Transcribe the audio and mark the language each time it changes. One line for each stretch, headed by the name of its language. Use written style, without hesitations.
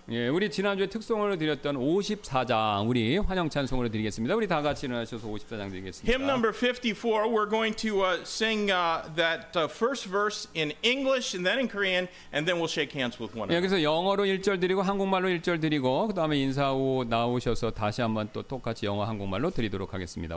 Korean: 예, 우리 지난주에 특송으로 드렸던 54장, 우리 환영 찬송으로 드리겠습니다. 우리 다 같이 일어나셔서 54장 드리겠습니다.
English: Hymn number 54, we're going to sing that first verse in English and then in Korean, and then we'll shake hands with one another.
Korean: 예, 그래서 영어로 1절 드리고 한국말로 1절 드리고 그 다음에 인사하고 나오셔서 다시 한번 또 똑같이 영어 한국말로 드리도록 하겠습니다.